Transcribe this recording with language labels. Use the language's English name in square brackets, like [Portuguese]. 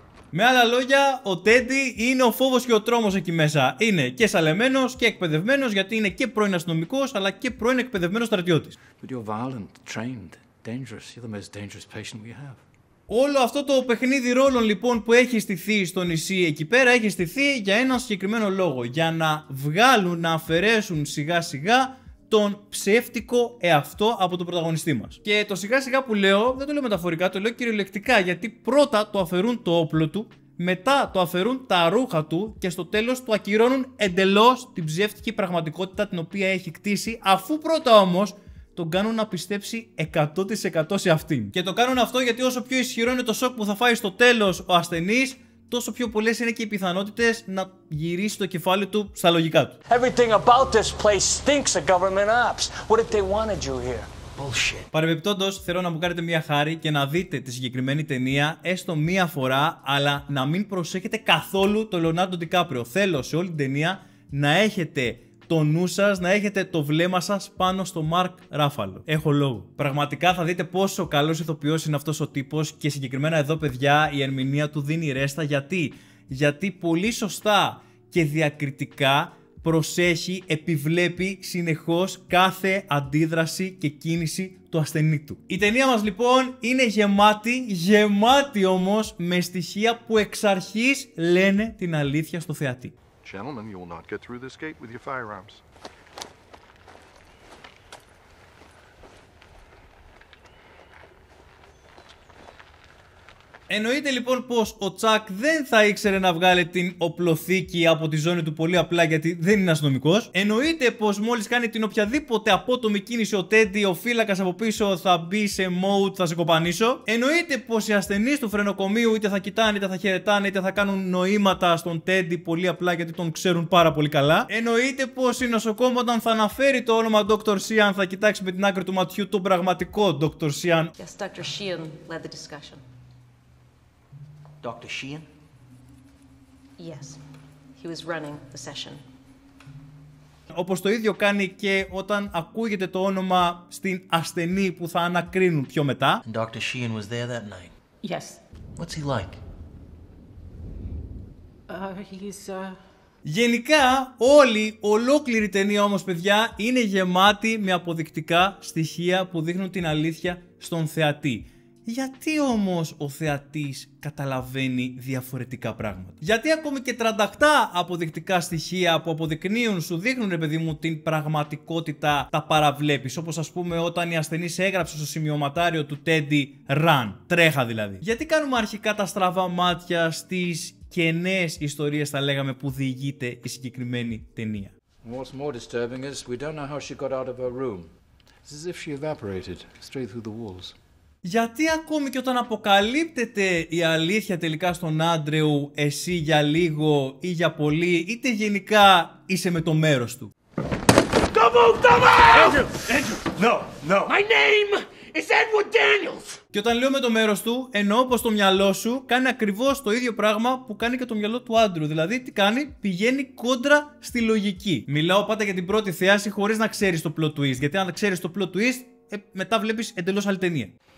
[Greek] Με άλλα λόγια, ο Τέντι είναι ο φόβος και ο τρόμος εκεί μέσα. Είναι και σαλεμένος και εκπαιδευμένος, γιατί είναι και πρώην αστυνομικός, αλλά και πρώην εκπαιδευμένος στρατιώτης. [English] But you're violent, trained, dangerous. You're the most dangerous patient we have. [Greek] Όλο αυτό το παιχνίδι ρόλων λοιπόν που έχει στηθεί στο νησί εκεί πέρα έχει στηθεί για έναν συγκεκριμένο λόγο. Για να βγάλουν, να αφαιρέσουν σιγά σιγά τον ψεύτικο εαυτό από τον πρωταγωνιστή μας. Και το σιγά σιγά που λέω, δεν το λέω μεταφορικά, το λέω κυριολεκτικά, γιατί πρώτα το αφαιρούν το όπλο του, μετά το αφαιρούν τα ρούχα του και στο τέλος του ακυρώνουν εντελώς την ψεύτικη πραγματικότητα την οποία έχει κτίσει, αφού πρώτα όμως τον κάνουν να πιστέψει 100% σε αυτήν. Και το κάνουν αυτό γιατί όσο πιο ισχυρό είναι το σοκ που θα φάει στο τέλος ο ασθενής, τόσο πιο πολλές είναι και οι πιθανότητες να γυρίσει το κεφάλι του στα λογικά του. [English] Everything about this place stinks of government ops. What if they wanted you here? Bullshit. [Greek] Παρεμπιπτόντως, θέλω να μου κάνετε μια χάρη και να δείτε τη συγκεκριμένη ταινία έστω μία φορά, αλλά να μην προσέχετε καθόλου το Leonardo DiCaprio. Θέλω σε όλη την ταινία να έχετε το νου σας, να έχετε το βλέμμα σας πάνω στο Mark Ruffalo. Έχω λόγο. Πραγματικά θα δείτε πόσο καλός ηθοποιός είναι αυτός ο τύπος και συγκεκριμένα εδώ, παιδιά, η ερμηνεία του δίνει ρέστα. Γιατί? Γιατί πολύ σωστά και διακριτικά προσέχει, επιβλέπει συνεχώς κάθε αντίδραση και κίνηση του ασθενή του. Η ταινία μας λοιπόν είναι γεμάτη, γεμάτη όμως με στοιχεία που εξ αρχής λένε την αλήθεια στο θεατή. [English] Gentlemen, you will not get through this gate with your firearms. [Greek] Εννοείται λοιπόν πως ο Τσακ δεν θα ήξερε να βγάλει την οπλοθήκη από τη ζώνη του πολύ απλά γιατί δεν είναι αστυνομικός. Εννοείται πως μόλις κάνει την οποιαδήποτε απότομη κίνηση ο Τέντι, ο φύλακας από πίσω θα μπει σε mode, θα σε κοπανίσω. Εννοείται πως οι ασθενείς του φρενοκομείου είτε θα κοιτάνε είτε θα χαιρετάνε είτε θα κάνουν νοήματα στον Τέντι πολύ απλά γιατί τον ξέρουν πάρα πολύ καλά. Εννοείται πως η νοσοκόμο όταν θα αναφέρει το όνομα Dr. Sheehan θα κοιτάξει με την άκρη του ματιού τον πραγματικό Dr. [English] Sheehan. Yes, Dr. Sheehan led the discussion. Dr. Sheehan? Yes. He was running the session. [Greek] Όπως το ίδιο κάνει και όταν ακούγεται το όνομα στην ασθενή που θα ανακρίνουν πιο μετά. [English] And Dr. Sheehan was there that night. Yes. What's he like? He's [Greek] Γενικά, όλη, ολόκληρη ταινία όμως, παιδιά, είναι γεμάτη με αποδεικτικά στοιχεία που δείχνουν την αλήθεια στον θεατή. Γιατί όμως ο θεατής καταλαβαίνει διαφορετικά πράγματα? Γιατί ακόμη και 38 αποδεικτικά στοιχεία που αποδεικνύουν, σου δείχνουν, παιδί μου, την πραγματικότητα, τα παραβλέπεις? Όπως ας πούμε όταν η ασθενής έγραψε στο σημειωματάριο του Teddy [English] Run. [Greek] Τρέχα δηλαδή. Γιατί κάνουμε αρχικά τα στραβά μάτια στις κενές ιστορίες, θα λέγαμε, που διηγείται η συγκεκριμένη ταινία? What's more disturbing is we don't know how she got out of her room. It's as if she evaporated straight through the walls. Γιατί ακόμη και όταν αποκαλύπτεται η αλήθεια τελικά στον Άντρεου, εσύ για λίγο ή για πολύ, είτε γενικά είσαι με το μέρος του? [English] Don't move, don't move! Andrew, Andrew! No, no! My name is Edward Daniels! [Greek] Και όταν λέω με το μέρος του, εννοώ πως το μυαλό σου κάνει ακριβώς το ίδιο πράγμα που κάνει και το μυαλό του Άντρου. Δηλαδή, τι κάνει? Πηγαίνει κόντρα στη λογική. Μιλάω πάντα για την πρώτη θέαση χωρίς να ξέρεις το plot twist. Γιατί αν ξέρεις το plot twist, μετά βλέπεις εντελώς άλλη ταινία.